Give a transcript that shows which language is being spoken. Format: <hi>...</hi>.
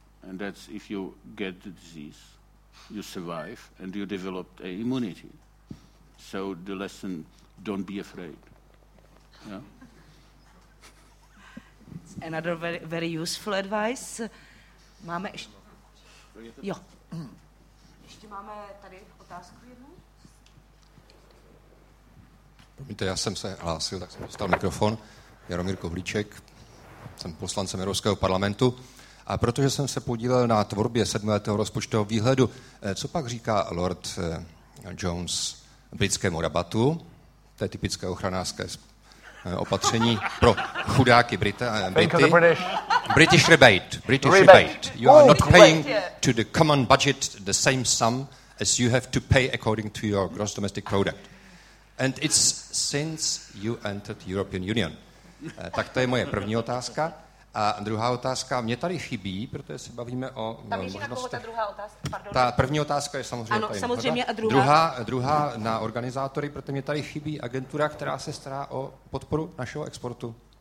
<en>And that's if you get the disease, you survive, and you develop a immunity. So the lesson, don't be afraid. Yeah. Another very, very useful advice.</en> <cs>Máme ještě... Jo. Ještě máme tady otázku jednu. Promiňte, já jsem se hlásil, tak jsem dostal mikrofon. Jaromír Kohlíček, jsem poslancem Evropského parlamentu. A protože jsem se podílel na tvorbě sedmiletého rozpočtového výhledu, co pak říká Lord Jones britskému rabatu, té typické ochranářské opatření pro chudáky Brity.</cs> <en>British rebate. British rebate. You are not paying to the common budget the same sum as you have to pay according to your gross domestic product. And it's since you entered the European Union.</en> <cs>Tak to je moje první otázka. A druhá otázka, mě tady chybí, protože se bavíme o možnostech. Tam ještě na koho ta druhá otázka, pardon. Ta první otázka je samozřejmě. Ano, samozřejmě a druhá. Druhá na organizátory, protože mě tady chybí agentura, která se stará o podporu našeho exportu.</cs>